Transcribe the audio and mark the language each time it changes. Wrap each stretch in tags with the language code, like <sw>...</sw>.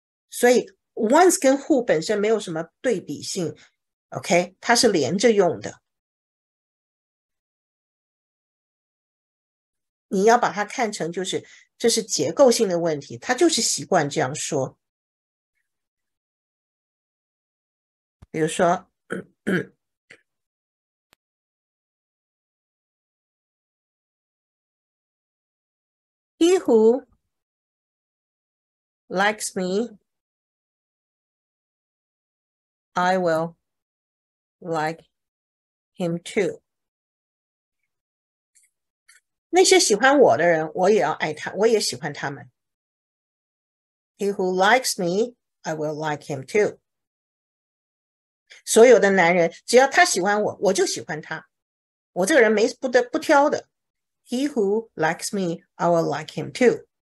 <zh>所以 once 跟 who 本身没有什么对比性， OK， 它是连着用的。你要把它看成就是这是结构性的问题，它就是习惯这样说。比如说</zh> <en>He who likes me, I will like him too.</en> <zh>那些喜欢我的人，我也要爱他，我也喜欢他们。</zh> <en>He who likes me, I will like him too.</en> <zh>所有的男人，只要他喜欢我，我就喜欢他。我这个人没不得不挑的。</zh> <en>He who likes me, I will like him too.</en>